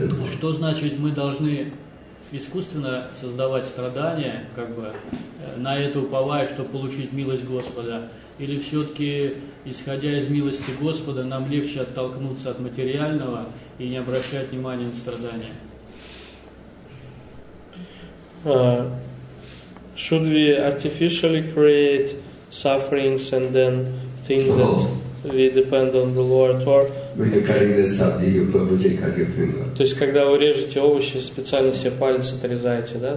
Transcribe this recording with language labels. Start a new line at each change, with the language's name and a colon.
Russian: Что значит, мы должны искусственно создавать страдания, как бы, на это уповая, чтобы получить милость Господа? Или все-таки, исходя из милости Господа, нам легче оттолкнуться от материального и не обращать внимания на страдания?
English: Should we artificially create sufferings and then think that we depend on the Lord? Or when you're cutting the sabji, you purposely cut your finger.
Russian: То есть когда вы режете овощи, специально себе палец отрезаете, да?